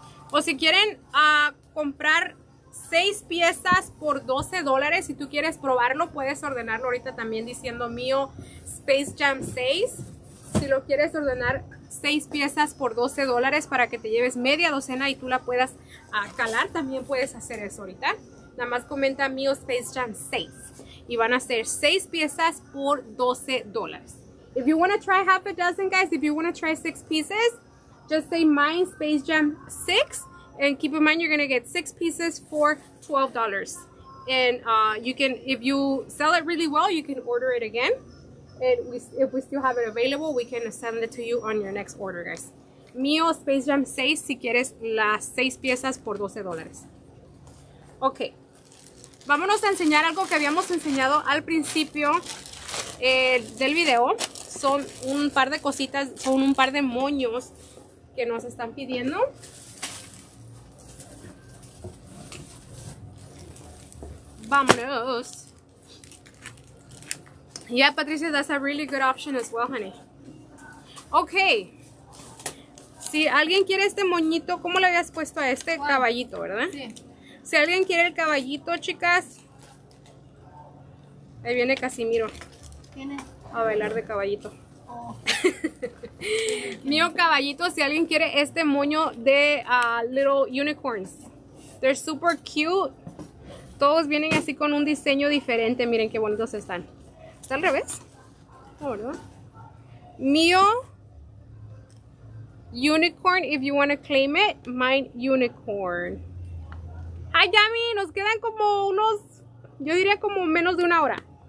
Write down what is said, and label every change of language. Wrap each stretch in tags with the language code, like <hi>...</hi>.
<es>O si quieren comprar 6 piezas por $12, si tú quieres probarlo, puedes ordenarlo ahorita también diciendo mío Space Jam 6. Si lo quieres ordenar 6 piezas por $12 para que te lleves media docena y tú la puedas calar, también puedes hacer eso ahorita. Nada más comenta mío Space Jam 6 y van a ser 6 piezas por $12.</es> <en>If you want to try half a dozen, guys, if you want to try 6 pieces, just say mine Space Jam 6 and keep in mind you're going to get 6 pieces for $12. And you can, if you sell it really well, you can order it again. And if we still have it available, we can send it to you on your next order, guys.</en> <es>Mio Space Jam 6, si quieres las 6 piezas por $12. Ok. Vámonos a enseñar algo que habíamos enseñado al principio del video. Son un par de cositas, son un par de moños que nos están pidiendo. Vámonos.</es> <en>Yeah, Patricia, that's a really good option as well, honey. Okay.</en> <es>si alguien quiere este moñito, ¿cómo le habías puesto a este? ¿Cuál? Caballito, ¿verdad? Sí. Si alguien quiere el caballito, chicas. Ahí viene Casimiro. ¿Quién es? A bailar de caballito. Oh. Mío caballito, si alguien quiere este moño de Little Unicorns.</es> <en>They're super cute.</en> <es>Todos vienen así con un diseño diferente. Miren qué bonitos están. ¿Está al revés? No, ¿verdad?</es> <en>Mío Unicorn, if you want to claim it, mine unicorn.</en> <es>Hi, Yami, nos quedan como unos, yo diría como menos de una hora.</es>